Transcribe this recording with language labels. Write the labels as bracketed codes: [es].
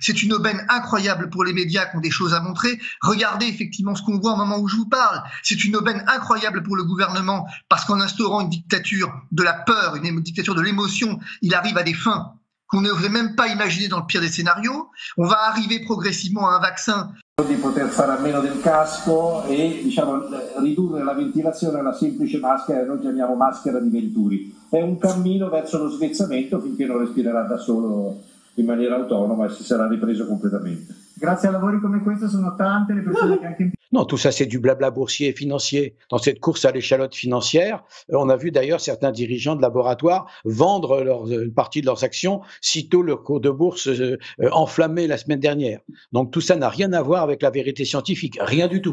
[fr] C'est une aubaine incroyable pour les médias qui ont des choses à montrer. Regardez effectivement ce qu'on voit au moment où je vous parle. C'est une aubaine incroyable pour le gouvernement parce qu'en instaurant une dictature de la peur, une dictature de l'émotion, il arrive à des fins qu'on n'aurait même pas imaginé dans le pire des scénarios. On va arriver progressivement à un vaccin. [it] De poter fare a meno del casco e diciamo ridurre la ventilazione a una semplice maschera, noi chiamiamo maschera di Venturi. È un cammino verso lo svezzamento finché non respirerà da solo in maniera autonoma e si sarà ripreso completamente. Grazie a lavori come questo sono tante le persone che anche... [fr] Non, tout ça, c'est du blabla boursier et financier. Dans cette course à l'échalote financière, on a vu d'ailleurs certains dirigeants de laboratoires vendre une partie de leurs actions sitôt le cours de bourse enflammé la semaine dernière. Donc tout ça n'a rien à voir avec la vérité scientifique, rien du tout.